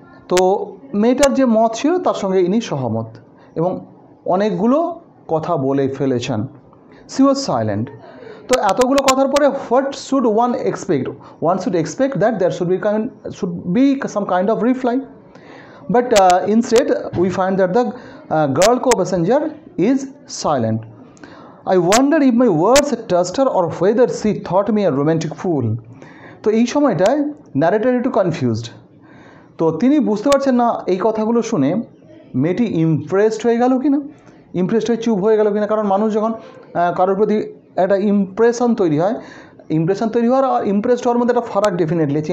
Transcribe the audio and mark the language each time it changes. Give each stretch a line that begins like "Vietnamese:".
Bangla: তো মেয়েটার যে মত ছিল তার সঙ্গে ইনি সহমত এবং অনেকগুলো কথা বলে ফেলেছেন,
English: She was silent.
Bangla: তো এতগুলো কথার পরে
English: What should one expect, one should expect that there should be kind should be some kind of reply, but instead we find that the girl co passenger is silent. I wonder if my words touched her or whether she thought me a romantic fool.
Bangla: তো এই সময়টায় narrator একটু confused, তো তিনি বুঝতে পারছেন না এই কথাগুলো শুনে মেয়েটি ইমপ্রেসড হয়ে গেল কি না, ইমপ্রেসড হয়ে চুপ হয়ে গেল কি না। কারণ মানুষ যখন কারোর প্রতি একটা ইমপ্রেশন তৈরি হয়, ইমপ্রেশন তৈরি হওয়ার আর ইমপ্রেসড হওয়ার মধ্যে একটা ফারাক ডেফিনেটলি আছে।